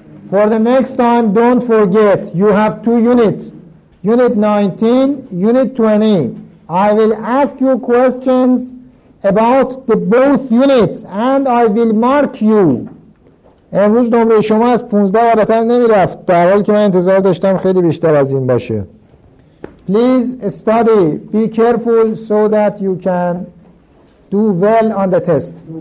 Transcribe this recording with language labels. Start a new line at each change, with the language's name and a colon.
English: For the next time, don't forget you have two units. Unit 19, unit 20. I will ask you questions about the both units and I will mark you.
Persian: امروز نمره شما از 15 بالاتر نمی‌رفت، در حالی که من انتظار داشتم خیلی بیشتر از این باشه.
English: Please study, be careful so that you can do well on the test.